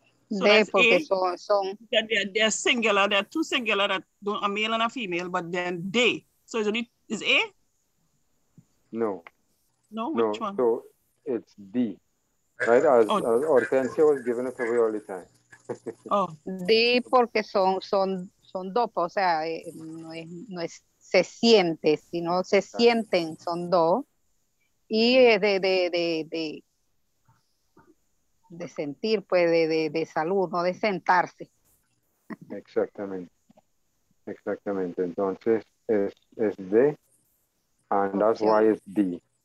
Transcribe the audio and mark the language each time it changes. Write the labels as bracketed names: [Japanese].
[English] So they, [Spanish] porque son. [English] They're singular. There are two singular, that don't, a male and a female, but then they. So is it is A? No. No, which one? So it's D, right? As Hortensia was giving it away all the time. Oh. [Spanish] D, porque son dos, o sea, no es se siente, sino se sienten, son dos. Y es de sentir, pues, de salud, no de sentarse. Exactamente. Entonces, es D, [English] and that's why it's D.